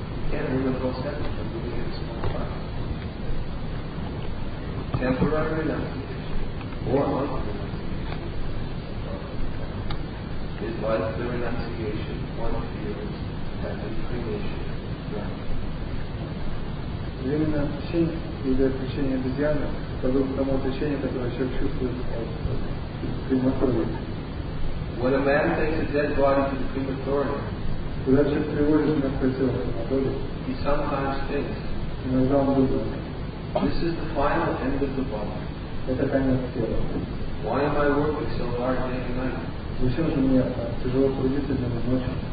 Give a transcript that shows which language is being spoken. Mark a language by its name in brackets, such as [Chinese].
[English] Can't remember the whole sentence. I'm moving it to small part. Temporary renunciation. Or monkey renunciation. Is like the renunciation one feels at a cremation room. [Russian] Временное отречение или отречение обезьяны подобно тому отречению, которое человек чувствует в крематории. [English] When a man takes a dead body to the crematorium, [Russian] когда человек приводит мертвое тело в крематорий, [English] he sometimes thinks, [Russian] иногда он думает, [English] this is the final end of the body. [Russian] Это конец тела. [English] Why am I working so hard day and night? [Russian] Зачем же мне тяжело трудиться днем и ночью?